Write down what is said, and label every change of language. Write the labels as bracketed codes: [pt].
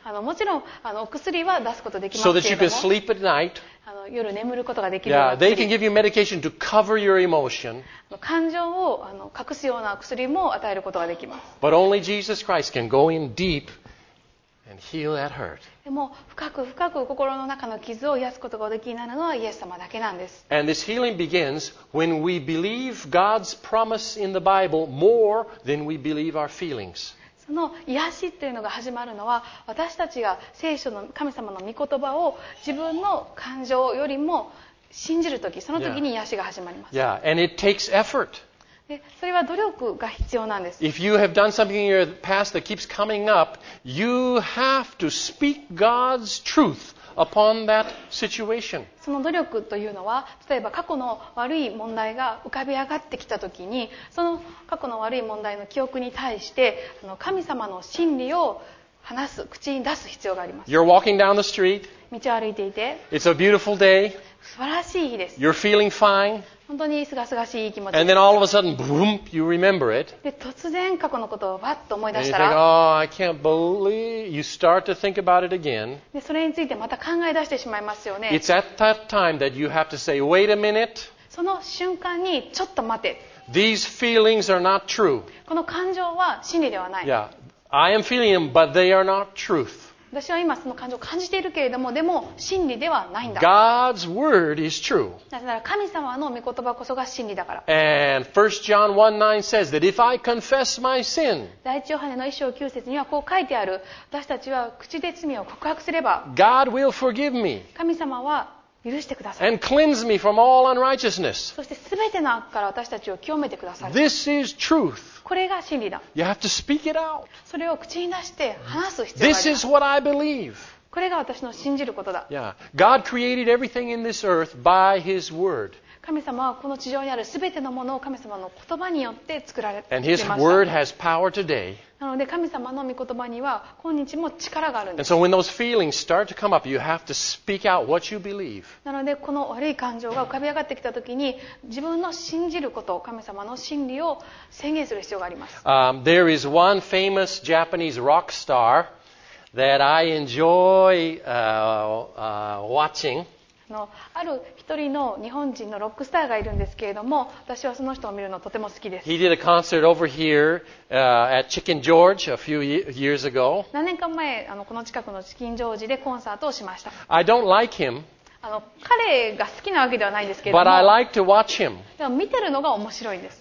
[ja] もちろん薬は出すことができますけれども。 [en] So that you can sleep at night. [ja] 夜眠ることができる薬。 [en] Yeah, they can give you medication to cover your emotion. [ja] 感情を隠すような薬も与えることができます。 [en] But only Jesus Christ can go in deep and heal that hurt. [ja] でも深く深く心の中の傷を癒すことができるのはイエス様だけなんです。 [en] And this healing begins when we believe God's promise in the Bible more than we believe our feelings. [ja] その癒しというのが始まるのは私たちが聖書の神様の御言葉を自分の感情よりも信じるとき、そのときに癒しが始まります。 [en] Yeah, and it takes effort. [ja] で、それは努力が必要なんです。 [en] If you have done something in your past that keeps coming up, you have to speak God's truth. Upon that situation. [ja] その努力というのは、例えば過去の悪い問題が浮かび上がってきたときに、その過去の悪い問題の記憶に対して、神様の真理を話す、口に出す必要があります。 [en] You're walking down the street. [ja] 道を歩いていて。 [en] It's a beautiful day. [ja] 素晴らしい日です。 [en] You're feeling fine. [ja] 本当にすがすがしい気持ちです。 [en] And then all of a sudden, boom, you remember it. [ja] で、突然過去のことをバッと思い出したら、 [en] And you think, oh, I can't believe you start to think about it again. [ja] で、それについてまた考え出してしまいますよね。 [en] It's at that time that you have to say, wait a minute. [ja] その瞬間にちょっと待て。 [en] These feelings are not true. [ja] この感情は真理ではない。 [en] Yeah. I am feeling them, but they are not truth. [ja] 私は今その感情を感じているけれども、でも真理ではないんだ。 [en] God's word is true. [ja] なぜなら神様の御言葉こそが真理だから。 [en] And 1 John 1:9 says that if I confess my sin, [ja] 第一ヨハネの一章九節にはこう書いてある。私たちは口で罪を告白すれば、 [en] God will forgive me. [ja] 神様は許してください。 [en] And cleanse me from all unrighteousness. [ja] そして全ての悪から私たちを清めてください。 [en] This is truth. [ja] これが真理だ。 [en] You have to speak it out. [ja] それを口に出して話す必要があります。 [en] This is what I believe. [ja] これが私の信じることだ。 [en] Yeah. God created everything in this earth by His word. [ja] 神様はこの地上にある全てのものを神様の言葉によって作られました。 [en] And His word has power today. [ja] なので神様の御言葉には今日も力があるんです。 [en] And so when those feelings start to come up, you have to speak out what you believe. [ja] なのでこの悪い感情が浮かび上がってきた時に自分の信じること、神様の真理を宣言する必要があります。 [en] There is one famous Japanese rock star that I enjoy watching. [ja] ある一人の日本人のロックスターがいるんですけれども、私はその人を見るのとても好きです。 [en] He did a concert over here, at Chicken George a few years ago. [ja] 何年か前、この近くのチキンジョージでコンサートをしました。 [en] I don't like him. [ja] 彼が好きなわけではないんですけれども [en] 、But I like to watch him. [ja] でも見てるのが面白いんです。